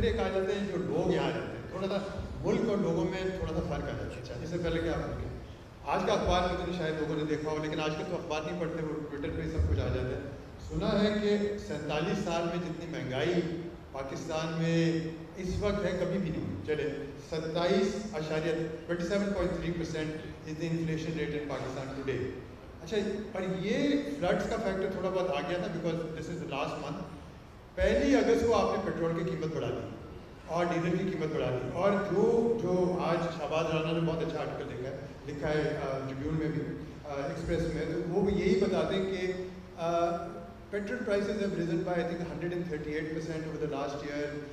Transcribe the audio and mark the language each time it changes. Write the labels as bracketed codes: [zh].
[ur] پھر ایک آ جاتے ہیں جو لوگ یہاں رہتے ہیں، تھوڑا سا ملک اور لوگوں میں تھوڑا سا فرق آ جاتا ہے. اس سے پہلے کیا آپ کے آج کا اخبار میں تو شاید لوگوں نے دیکھا ہو، لیکن آج کل تو اخبار نہیں پڑھتے، وہ ٹویٹر پہ سب کچھ آ جاتا ہے. سنا ہے کہ 47 سال میں جتنی مہنگائی پاکستان میں اس وقت ہے کبھی بھی نہیں. [en] چلے 27.3% is the inflation rate in Pakistan today. [ur] اچھا پر یہ فلڈس کا فیکٹر تھوڑا بہت آ گیا تھا، [en] Because this is the last month. [ur] 1 اگست کو آپ نے پیٹرول کی قیمت بڑھا دی اور ڈیزل کی قیمت بڑھا دی، اور جو آج شہباز رانا نے بہت اچھا آرٹیکل دیکھا ہے، لکھا ہے ٹریبیون میں بھی، ایکسپریس میں، تو وہ بھی یہی بتاتے ہیں کہ [en] Petrol prices have risen by I think 138% over the last year.